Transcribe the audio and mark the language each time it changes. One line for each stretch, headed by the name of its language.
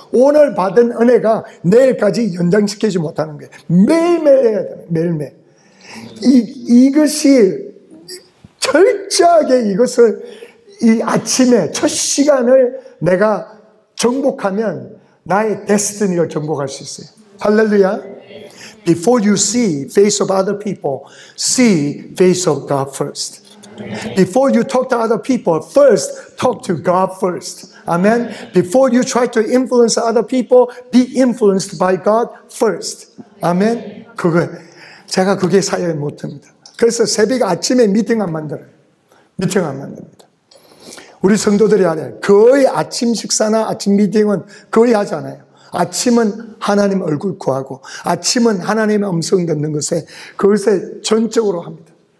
Korean: 오늘 받은 은혜가 내일까지 연장시키지 못하는 거예요. 매일매일 해야 돼요. 매일매일. 이것이 철저하게 이것을 이 아침에 첫 시간을 내가 정복하면 나의 데스티니를 정복할 수 있어요. 할렐루야.
English: Before you see face of other people, see face of God first. Before you talk to other people, first talk to God first. Amen. Before you try to influence other people, be influenced by God first. Amen.
Korean: 그거 제가 그게 사역을 못합니다. 그래서 새벽 아침에 미팅 안 만들어요. 미팅 안 만듭니다. 우리 성도들이 알아요. 거의 아침 식사나 아침 미팅은 거의 하지 않아요. 아침은 하나님 얼굴 구하고 아침은 하나님의 음성 듣는 것에 그것에 전적으로 합니다.